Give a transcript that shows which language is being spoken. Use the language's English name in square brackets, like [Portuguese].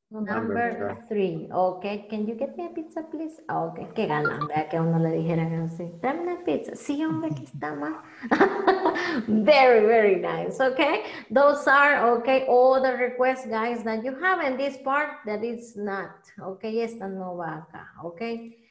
[English] Okay, can you get me a pizza, please? [Spanish] Okay, qué galán, vea que uno le dijera así. Dame una pizza. Sí, hombre, aquí está más. [English] Very, very nice. Okay, those are, okay, all the requests, guys, that you have in this part that is not. Okay, [Spanish] esta no va acá. [English] Okay,